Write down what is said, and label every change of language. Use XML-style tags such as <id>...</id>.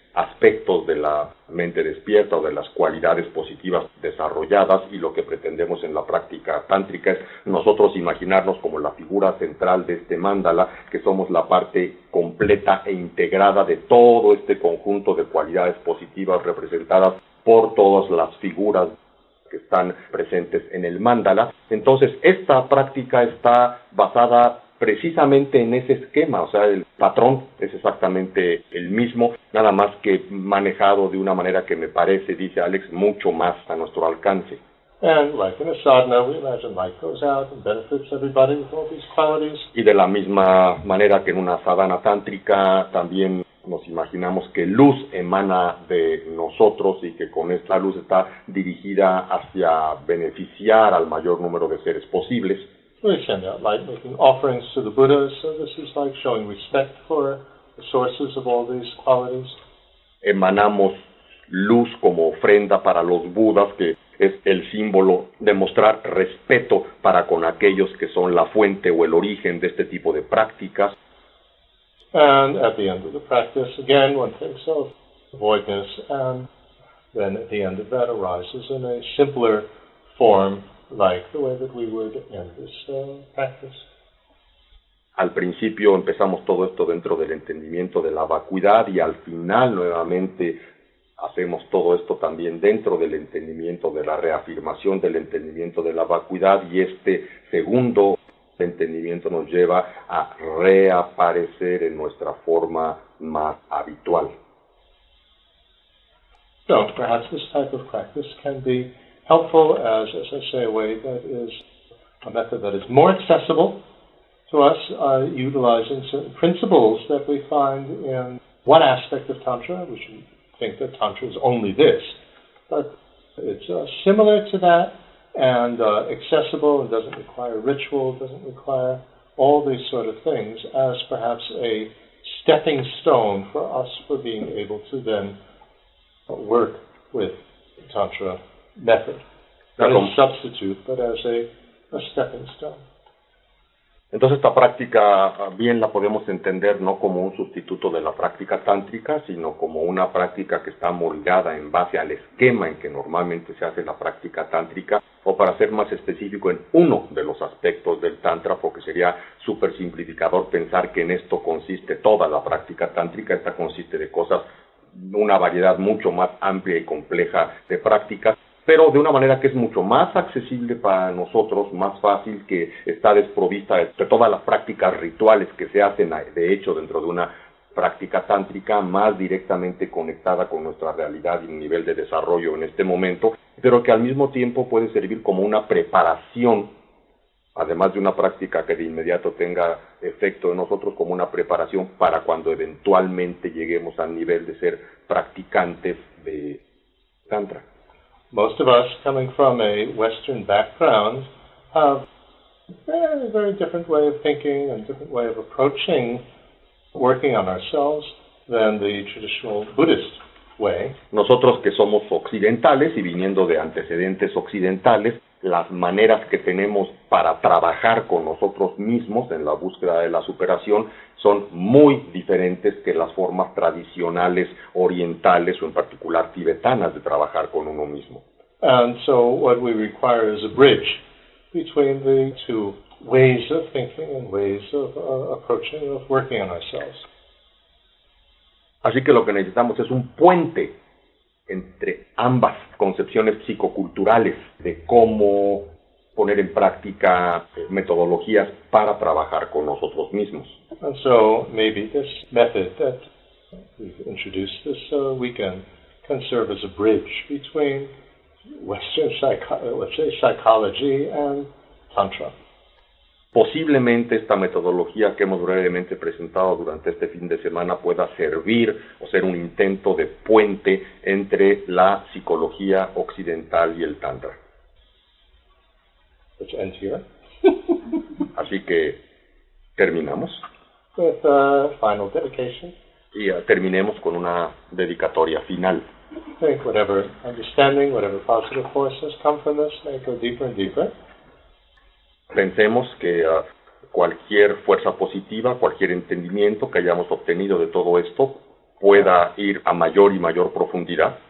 <es>aspectos de la mente despierta o de las cualidades positivas desarrolladas, y lo que pretendemos en la práctica tántrica es nosotros imaginarnos como la figura central de este mandala, que somos la parte completa e integrada de todo este conjunto de cualidades positivas representadas por todas las figuras que están presentes en el mandala. Entonces, esta práctica está basada precisamente en ese esquema, o sea, el patrón es exactamente el mismo, nada más que manejado de una manera que me parece, dice Alex, mucho más a nuestro alcance.</es> <en>And like in a sadhana, we imagine life goes out and benefits everybody with all these qualities.</en> <es>Y de la misma manera que en una sadhana tántrica, también nos imaginamos que luz emana de nosotros y que con esta luz está dirigida hacia beneficiar al mayor número de seres posibles.</es> <en>We send out light making offerings to the Buddha, so this is like showing respect for the sources of all these qualities.</en> <es>Emanamos luz como ofrenda para los Budas, que es el símbolo de mostrar respeto para con aquellos que son la fuente o el origen de este tipo de prácticas.</es> <en>And at the end of the practice, again, one thinks of voidness, and then at the end of that arises in a simpler form, like the way that we would end this practice.</en> <es>Al principio empezamos todo esto dentro del entendimiento de la vacuidad, y al final nuevamente hacemos todo esto también dentro del entendimiento de la reafirmación del entendimiento de la vacuidad, y este segundo entendimiento nos lleva a reaparecer en nuestra forma más habitual.</es> <en>So, perhaps this type of practice can be helpful as I say, a way that is a method that is more accessible to us, utilizing certain principles that we find in one aspect of Tantra. We should think that Tantra is only this, but it's similar to that, and accessible, and doesn't require ritual, doesn't require all these sort of things, as perhaps a stepping stone for us for being able to then work with the Tantra method. Not a substitute, but as a stepping stone.</en> <es>Entonces esta práctica bien la podemos entender no como un sustituto de la práctica tántrica, sino como una práctica que está moldeada en base al esquema en que normalmente se hace la práctica tántrica, o para ser más específico en uno de los aspectos del tantra, porque sería súper simplificador pensar que en esto consiste toda la práctica tántrica. Esta consiste de cosas, una variedad mucho más amplia y compleja de prácticas, pero de una manera que es mucho más accesible para nosotros, más fácil, que está desprovista de todas las prácticas rituales que se hacen, de hecho, dentro de una práctica tántrica, más directamente conectada con nuestra realidad y nivel de desarrollo en este momento, pero que al mismo tiempo puede servir como una preparación, además de una práctica que de inmediato tenga efecto en nosotros, como una preparación para cuando eventualmente lleguemos al nivel de ser practicantes de tantra.</es> <en>Most of us, coming from a Western background, have a very, very different way of thinking and different way of approaching working on ourselves than the traditional Buddhist way.</en> <es>Nosotros que somos occidentales y viniendo de antecedentes occidentales, las maneras que tenemos para trabajar con nosotros mismos en la búsqueda de la superación son muy diferentes que las formas tradicionales orientales o en particular tibetanas de trabajar con uno mismo.</es> <en>And so what we require is a bridge between the two ways of thinking and ways of approaching of working on ourselves.</en> <es>Así que lo que necesitamos es un puente entre ambas concepciones psicoculturales de cómo poner en práctica metodologías para trabajar con nosotros mismos.</es> <en>And so maybe this method that we've introduced this weekend can serve as a bridge between Western psychology and Tantra.</en> <es>Posiblemente esta metodología que hemos brevemente presentado durante este fin de semana pueda servir o ser un intento de puente entre la psicología occidental y el tantra.</es> <en>Which ends here.</en> <es>Así que terminamos.</es> <en>With a final dedication.</en> <es>Y terminemos con una dedicatoria final.</es> <en>Make whatever understanding, whatever positive forces come from this, make it deeper and deeper.</en> <es>Pensemos que cualquier fuerza positiva, cualquier entendimiento que hayamos obtenido de todo esto, pueda ir a mayor y mayor profundidad.</es>